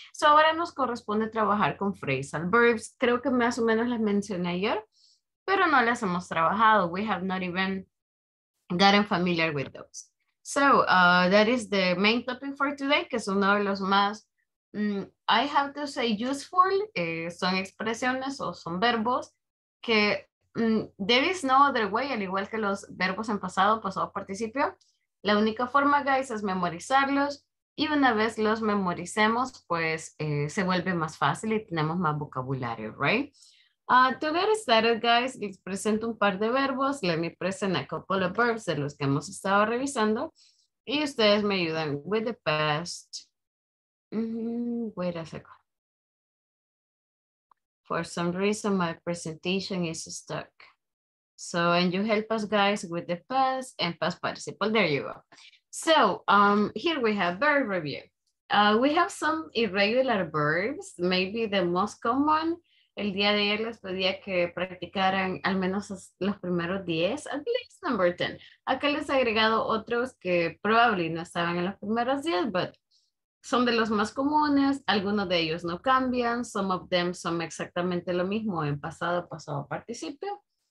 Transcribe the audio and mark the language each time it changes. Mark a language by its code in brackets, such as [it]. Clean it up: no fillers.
[es] So ahora nos corresponde trabajar con phrasal verbs. Creo que más o menos las mencioné ayer, pero no las hemos trabajado. [en] We have not even gotten familiar with those. So that is the main topic for today, [es] que es uno de los más, [en] I have to say, useful. [es] Son expresiones o son verbos que [en] there is no other way, [es] al igual que los verbos en pasado, pasado participio. La única forma, guys, es memorizarlos y una vez los memoricemos, pues se vuelve más fácil y tenemos más vocabulario, right? [en] To get started, [es] guys, les presento un par de verbos. [en] Let me present a couple of verbs [es] de los que hemos estado revisando. Y ustedes me ayudan [en] with the past. Wait a second. For some reason, my presentation is stuck. So, and you help us, guys, with the past and past participle. There you go. So, here we have verb review. We have some irregular verbs, maybe the most common. [es] El día de ayer les pedía que practicaran al menos los primeros 10, [en] at least number 10. [es] Acá les he agregado otros que probably no estaban en los primeros 10, but son de los más comunes. Algunos de ellos no cambian. [en] Some of them [es] son exactamente lo mismo en pasado, pasado, participio.